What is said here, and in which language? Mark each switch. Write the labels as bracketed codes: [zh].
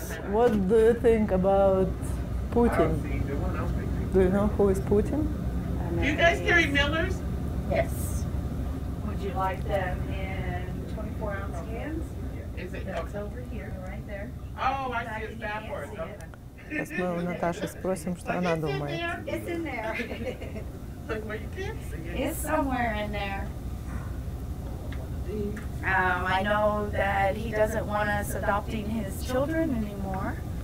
[en] What do you think about Putin? Do you know who is Putin? You guys carry Miller's? Yes. Would you like them in 24-ounce cans? Is it That's over here, right there. Oh, I see it's backwards. [ru] Сейчас мы у Наташи спросим, что она думает. [en] It's in there. Like where you can't see it. It's somewhere in there. Do you have I know that he doesn't want us adopting his children anymore.